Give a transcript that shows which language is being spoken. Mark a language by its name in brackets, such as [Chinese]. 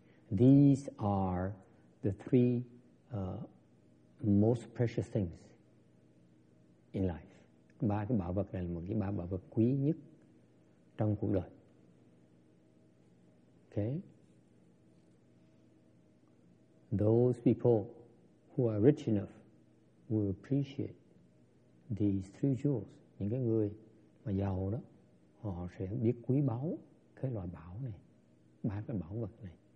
[English] These are the three most precious things in life. [Vietnamese] Ba cái bảo vật này là một cái ba bảo vật quý nhất trong cuộc đời. [English] Okay. Those people who are rich enough will appreciate these three jewels. [Vietnamese] Những cái người mà giàu đó, họ sẽ biết quý báu cái loại bảo này, ba cái bảo vật này.